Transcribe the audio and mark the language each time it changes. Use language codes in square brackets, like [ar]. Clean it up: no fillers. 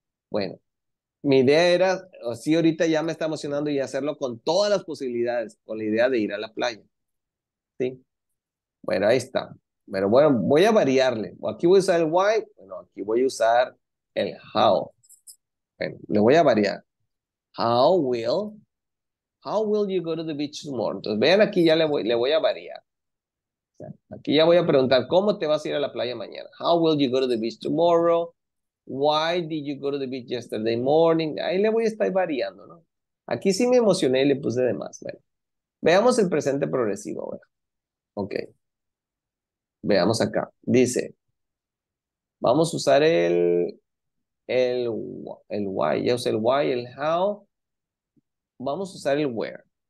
[es] Bueno, mi idea era, sí, ahorita ya me está emocionando y hacerlo con todas las posibilidades, con la idea de ir a la playa, ¿sí? Bueno, ahí está. Pero bueno, voy a variarle. Aquí voy a usar el why. Bueno, aquí voy a usar el how. Bueno, le voy a variar. [en] How will you go to the beach tomorrow? [es] Entonces, vean, aquí ya le voy a variar. Aquí ya voy a preguntar, ¿cómo te vas a ir a la playa mañana? [en] How will you go to the beach tomorrow? Why did you go to the beach yesterday morning? [es] Ahí le voy a estar variando, ¿no? Aquí sí me emocioné y le puse de más. Bueno, veamos el presente progresivo ahora. Ok. Veamos acá. Dice, vamos a usar el why. Ya usé el why, el how. Vamos a usar el where.